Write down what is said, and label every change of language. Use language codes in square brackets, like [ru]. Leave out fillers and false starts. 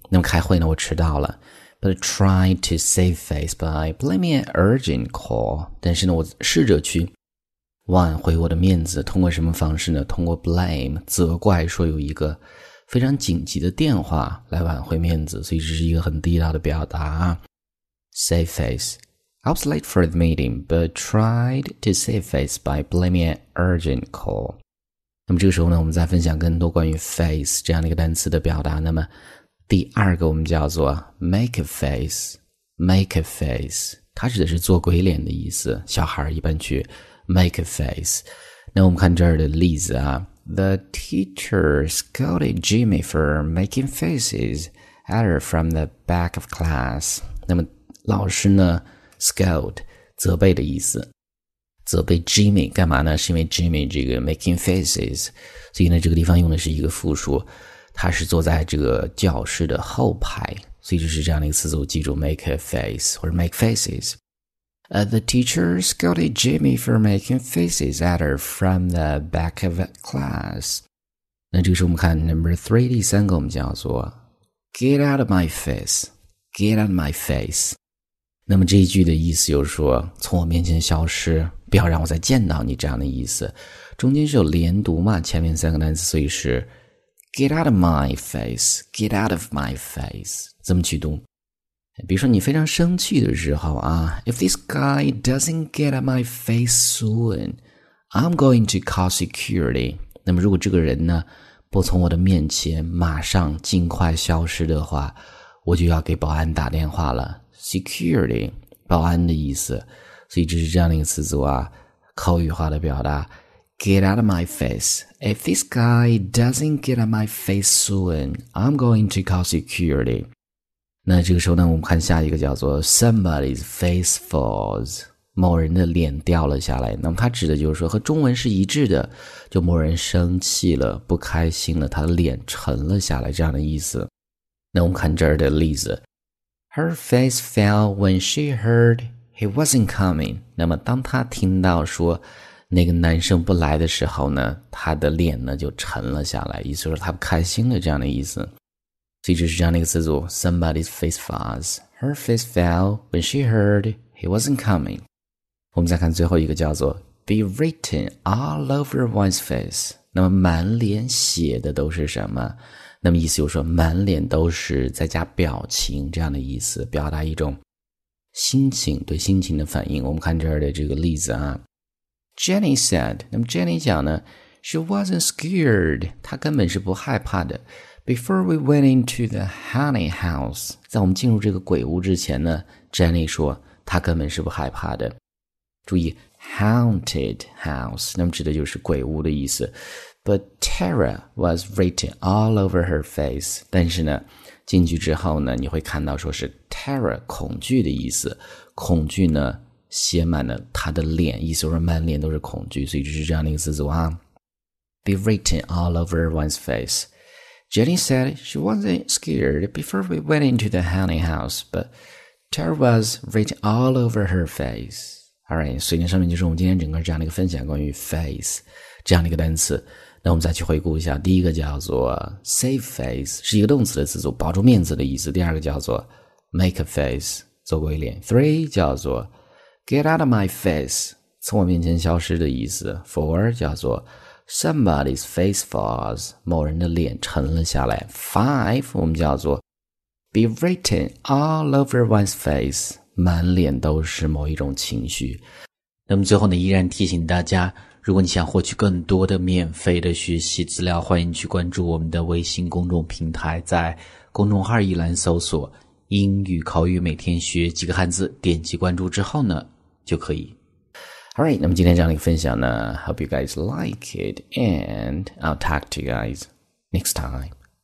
[zh] 那么开会呢，我迟到了。 [en] But try to save face by blaming an urgent call。 [zh] 但是呢，我试着去挽回我的面子，通过什么方式呢？通过 blame 责怪，说有一个非常紧急的电话来挽回面子。所以这是一个很地道的表达啊 ，save face。 [en] I was late for the meeting, but tried to save face by blaming an urgent call. [zh] 那么这个时候呢，我们再分享更多关于 face 这样的一个单词的表达。那么第二个我们叫做 [en] make a face, make a face. [zh] 它指的是做鬼脸的意思，小孩一般去 make a face. 那我们看这儿的例子啊 [en] ,The teacher scolded Jimmy for making faces at her from the back of class. [zh] 那么老师呢Scold, 责备的意思。责备 Jimmy, 干嘛呢？是因为 Jimmy 这个 making faces。所以呢，这个地方用的是一个复数。他是坐在这个教室的后排。所以就是这样的一个词组，记住 make a face, 或者 make faces。 [en] The teacher scolded Jimmy for making faces at her from the back of class. [zh] 那这个时候我们看 [en] number three, [zh] 第三个我们叫做 [en] get out of my face, get out of my face。 [zh] 那么这一句的意思就是说，从我面前消失，不要让我再见到你，这样的意思。中间是有连读嘛，前面三个单词，所以是 [en] get out of my face, [zh] get out of my face, 怎么去读？比如说你非常生气的时候啊 [en] ,if this guy doesn't get out of my face soon, I'm going to call security. [zh] 那么如果这个人呢，不从我的面前马上尽快消失的话，我就要给保安打电话了。 Security, 保安的意思。所以这是这样的一个词组啊，口语化的表达。 [en] Get out of my face. If this guy doesn't get out of my face soon, I'm going to call security. [zh] 那这个时候呢，我们看下一个叫做 [en] Somebody's face falls. [zh] 某人的脸掉了下来。那么它指的就是说和中文是一致的，就某人生气了，不开心了，他的脸沉了下来，这样的意思。那我们看这儿的例子。 [en] Her face fell when she heard he wasn't coming. [zh] 那么当她听到说那个男生不来的时候呢，她的脸呢就沉了下来，意思说她不开心了，这样的意思。所以就是这样的一个词组 , [en] somebody's face falls. Her face fell when she heard he wasn't coming. [zh] 我们再看最后一个叫做 [en] be written all over one's face. [zh] 那么满脸写的都是什么？那么意思就是说满脸都是在加表情，这样的意思，表达一种心情，对心情的反应。我们看这儿的这个例子啊 [en] Jenny said, [zh] 那么 Jenny 讲呢 [en] She wasn't scared, [zh] 她根本是不害怕的 [en] Before we went into the honey house, [zh] 在我们进入这个鬼屋之前呢 Jenny 说她根本是不害怕的。注意 haunted house, 那么指的就是鬼屋的意思。 [en] But terror was written all over her face. [zh] 但是呢，进去之后呢，你会看到说是 terror 恐惧的意思，恐惧呢写满了她的脸，意思说满脸都是恐惧，所以就是这样的一个词组啊。 [en] Be written all over one's face. Jenny said she wasn't scared before we went into the honey house, but terror was written all over her face. [zh] All right, 所以上面就是我们今天整个这样的一个分享，关于 face 这样的一个单词。那我们再去回顾一下，第一个叫做 save face, 是一个动词的词组，保住面子的意思。第二个叫做 make a face, 做鬼脸。three 叫做 [en] get out of my face, [zh] 从我面前消失的意思。 four 叫做 [en] somebody's face falls, [zh] 某人的脸沉了下来。 five 我们叫做 [en] be written all over one's face, [zh] 满脸都是某一种情绪。那么最后呢，依然提醒大家，如果你想获取更多的免费的学习资料，欢迎去关注我们的微信公众平台，在公众号一栏搜索英语口语每天学几个汉字，点击关注之后呢就可以。 [en] Alright, [zh] 那么今天这样的一个分享呢 [en] Hope you guys like it. And I'll talk to you guys next time.